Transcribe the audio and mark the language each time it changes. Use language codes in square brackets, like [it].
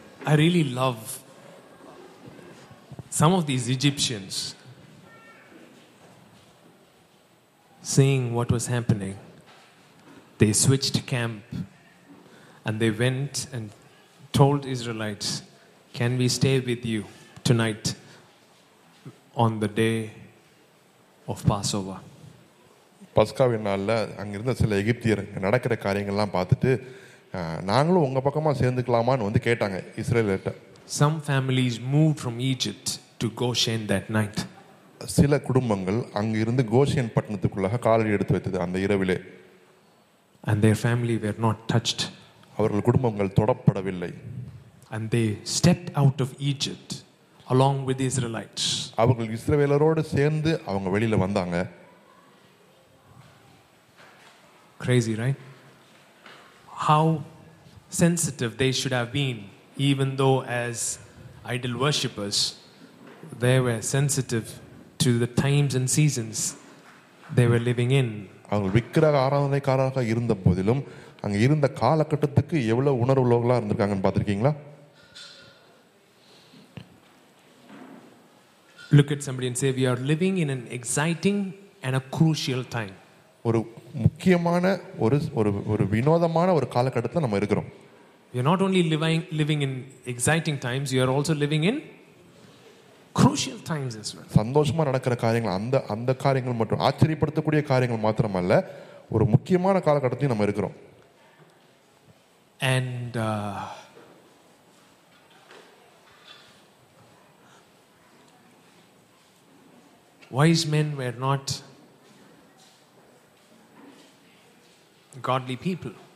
[en] I really love some of these Egyptians seeing what was happening. They switched camp and they went and told Israelites, can we stay with you tonight on the day of Passover? [ta] பஸ்காவினால அங்கிருந்த சில எகிப்தியருங்க நடக்கிற காரியங்கள்லாம் பார்த்துட்டு நாங்களும் உங்கள் பக்கமாக சேர்ந்துக்கலாமான்னு வந்து கேட்டாங்க இஸ்ரேலர்கிட்ட. [en] Some families move from Egypt to Goshen that night. [ta] சில குடும்பங்கள் அங்கிருந்து கோஷேன் பட்டணத்துக்குள்ளாக காலடி எடுத்து வைத்தது அந்த இரவிலே. [en] And their family were not touched. [ta] அவர்கள் குடும்பங்கள் தொடப்படவில்லை. [en] And they stepped out of Egypt along with Israelites. [ta] அவர்கள் இஸ்ரேலரோடு சேர்ந்து அவங்க வெளியில் வந்தாங்க. [en] Crazy, right? How sensitive they should have been, even though as idol worshippers, they were sensitive to the times and seasons they were living in. [ta] அவர்கள் விக்கிரக ஆராதனைக்காரராக இருந்த போதிலும் அங்க இருந்த காலகட்டத்துக்கு எவ்வளவு உணர்வுகளா இருந்திருக்காங்கன்னு பாத்திருக்கீங்களா? [en] Look at somebody and say, we are living in an exciting and a crucial time. [ta] ஒரு முக்கியமான ஒரு ஒரு ஒரு வினோதமான ஒரு காலகட்டத்தில் நம்ம இருக்கிறோம். [en] You're not only living in exciting times, you are also living in crucial times as well. [ta] சந்தோஷமா நடக்கிற காரியங்கள் அந்த காரியங்கள் மட்டும் ஆச்சரியப்படுத்தக்கூடிய காரியங்கள் மட்டுமல்ல ஒரு முக்கியமான காலகட்டத்தையும் நம்ம இருக்கிறோம். [en] And wise men were not godly people.